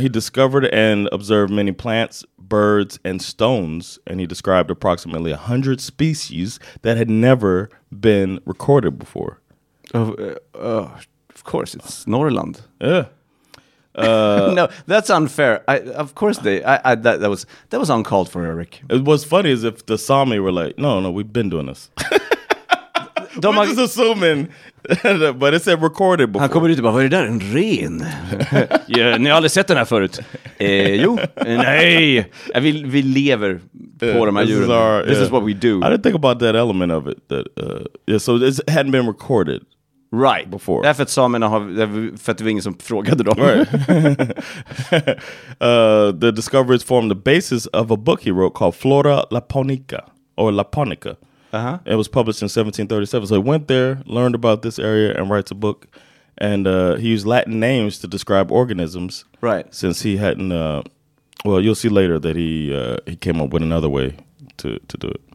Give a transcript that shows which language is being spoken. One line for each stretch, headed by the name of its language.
English: He discovered and observed many plants, birds, and stones, and he described approximately 100 species that had never been recorded before. Of course, it's Norrland. Yeah. No, that's unfair. That was uncalled for, Eric. It was funny as if the Sami were like, no, we've been doing this. de We're just assuming. But it said recorded before.
Swedish: Han kommer ut och bara, vad är det där, en ren? Ja, ni har aldrig sett den här förut. Jo, nej. Vi lever på de här djuren.
English: This is what we do. I didn't think about that element of it. That, yeah, so it hadn't been recorded. Right. Before.
Swedish: Därför att samerna har, för att det var ingen som frågade dem.
English: Right. The discoveries formed the basis of a book he wrote called Flora Laponica, or Laponica. Uh-huh. It was published in 1737. So he went there, learned about this area, and writes a book. And he used Latin names to describe organisms. Right. Since he hadn't, well, you'll see later that he came up with another way to do it.